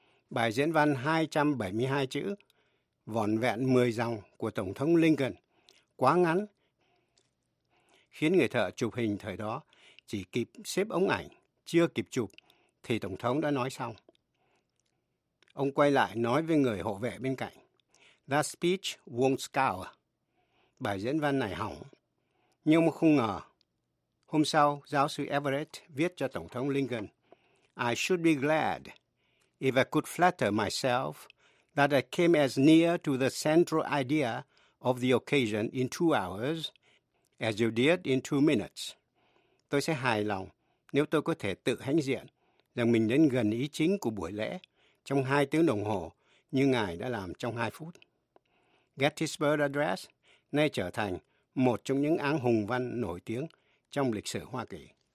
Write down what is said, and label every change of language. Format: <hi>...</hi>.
<vi>Bài diễn văn 272 chữ, vỏn vẹn 10 dòng của Tổng thống Lincoln, quá ngắn, khiến người thợ chụp hình thời đó chỉ kịp xếp ống ảnh, chưa kịp chụp, thì Tổng thống đã nói xong. Ông quay lại nói với người hộ vệ bên cạnh,</vi> <en>"That speech won't scour."</en> <vi>Bài diễn văn này hỏng. Nhưng không ngờ, hôm sau, giáo sư Everett viết cho Tổng thống Lincoln,</vi> <en>"I should be glad if I could flatter myself that I came as near to the central idea of the occasion in 2 hours as you did in 2 minutes.</en> <vi>Tôi sẽ hài lòng nếu tôi có thể tự hãnh diện rằng mình đến gần ý chính của buổi lễ trong 2 tiếng đồng hồ như ngài đã làm trong 2 phút. Gettysburg Address nay trở thành một trong những áng hùng văn nổi tiếng trong lịch sử Hoa Kỳ.</vi>